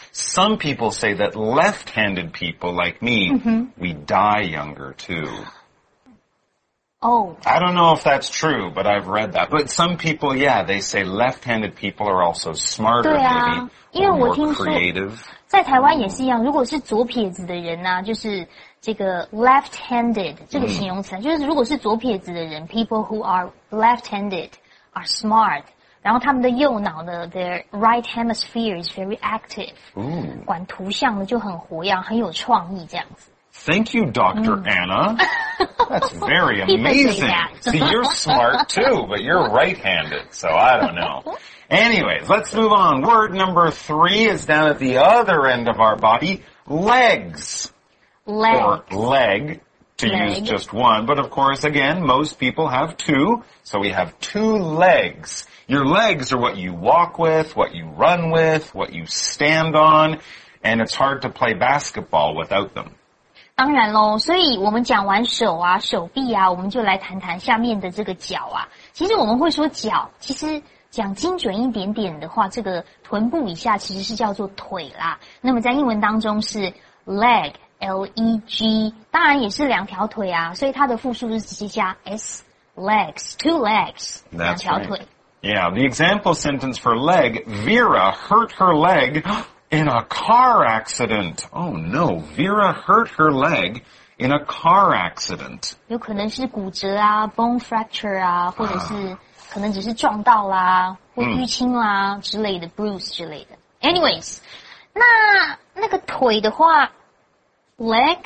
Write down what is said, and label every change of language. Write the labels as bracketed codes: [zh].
[en] Some people say that left-handed people like me, we die younger too. Oh. I don't know if that's true, but I've read that. But some people, yeah, they say left-handed people are also smarter maybe, or more creative. [zh] 在台湾也是一样，如果是左撇子的人啊，就是这个 left-handed 这个形容词，就是如果是左撇子的人 ， [en] people who are left-handed are smart， [zh] 然后他们的右脑呢 ， [en] their right hemisphere is very active， [zh] 管图像的就很活跃，很有创意这样子。 [en] Thank you, Dr. Anna. That's very amazing. See, you're smart too, but you're right-handed, so I don't know. Anyways, let's move on. Word number 3 is down at the other end of our body, legs. Leg, to use just one. But of course, again, most people have two. So we have two legs. Your legs are what you walk with, what you run with, what you stand on. And it's hard to play basketball without them. [zh] 当然咯，所以我们讲完手啊，手臂啊，我们就来谈谈下面的这个脚啊。其实我们会说脚，其实讲精准一点点的话，这个臀部以下其实是叫做腿啦。那么在英文当中是 leg. L-E-G, 当然也是两条腿啊，所以它的复数是直接加 S, legs, [en] two legs, [zh] 两条腿。 [en] Yeah, the example sentence for leg, Vera hurt her leg in a car accident. Oh no, Vera hurt her leg in a car accident. [zh] 有可能是骨折啊, [en] bone fracture [zh] 啊, 或者是可能只是撞到啦或淤青啦之类的 bruise 之类的 anyways 那个腿的话 leg、